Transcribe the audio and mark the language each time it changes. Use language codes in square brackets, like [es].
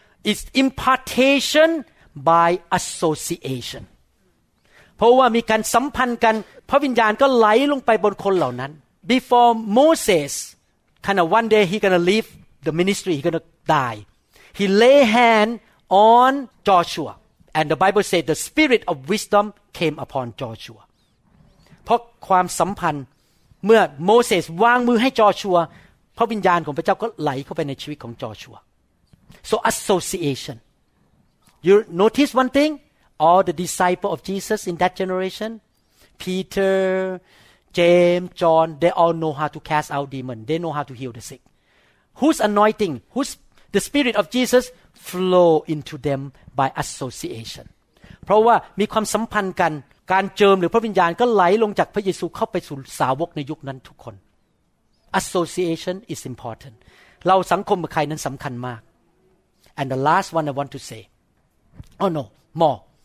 [en] it's impartation by association [th] เพราะว่ามีการสัมพันธ์กันพระวิญญาณก็ไหลลงไปบนคนเหล่านั้น [en] before Moses kind of one day he gonna leave the ministry he gonna die he lay handOn Joshua, and the Bible says the spirit of wisdom came upon Joshua. [th] เพราะความสัมพันธ์เมื่อโมเสสวางมือให้จอชัวพระวิญญาณของพระเจ้าก็ไหลเข้าไปในชีวิตของจอชัว [en] So association. You notice one thing? All the disciples of Jesus in that generation, Peter, James, John, they all know how to cast out demons. They know how to heal the sick. Who's anointing? Who's the spirit of Jesus? flow into them by association [th] เพราะว่ามีความสัมพันธ์กันการเจิมหรือพระวิญญาณก็ไหลลงจากพระเยซูเข้าไปสู่สาวกในยุคนั้นทุกคน [en] association is important [th] เราสังคมกับใครนั้นสำคัญมาก [en] and the last one I want to say oh no more